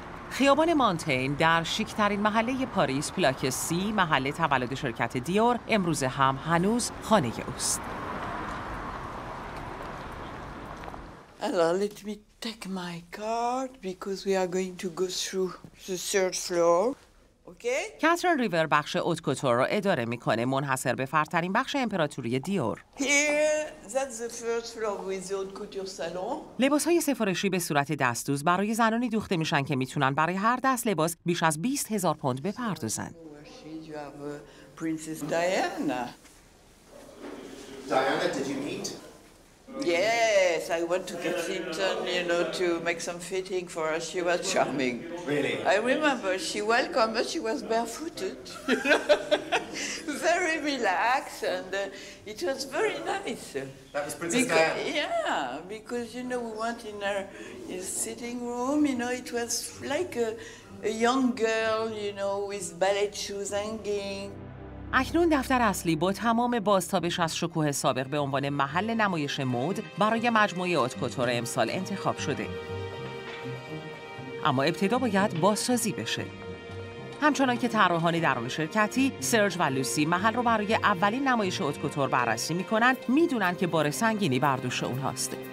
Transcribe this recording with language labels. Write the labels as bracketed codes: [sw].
[fa] خیابان مانتین در شیک‌ترین محله پاریس، پلاک 30، محله تولد شرکت دیور، امروز هم هنوز خانه اوست. [en] Alors, let me take my card because we are going to go through the 3rd floor. Okay? [fa] Catherine River بخش اوت کوتور رو اداره میکنه، منحصر به فردترین بخش امپراتوری دیور. [en] Here, that's the 1st floor with the haute couture salon. [fa] لباس های سفارشی به صورت دستدوز برای زنانی دوخته میشن که میتونن برای هر دست لباس بیش از 20,000 پوند بپردازن. [en] You have Princess Diana. Diana, did you meet? Yes, I went to Kensington, you know, to make some fitting for her. She was charming. Really? I remember she welcomed us, she was barefooted, you know, very relaxed, and it was very nice. That was Princess Diana? Yeah, because, you know, we went in her sitting room, you know, it was like a young girl, you know, with ballet shoes hanging. [fa] اکنون دفتر اصلی با تمام بازتابش از شکوه سابق به عنوان محل نمایش مد برای مجموعه اوت کوتور امسال انتخاب شده. اما ابتدا باید بازسازی بشه. همچنان که طراحان درون شرکتی، سرج و لوسی محل رو برای اولین نمایش اوت کوتور بررسی میکنن، میدونن که بار سنگینی بر دوش اونهاست.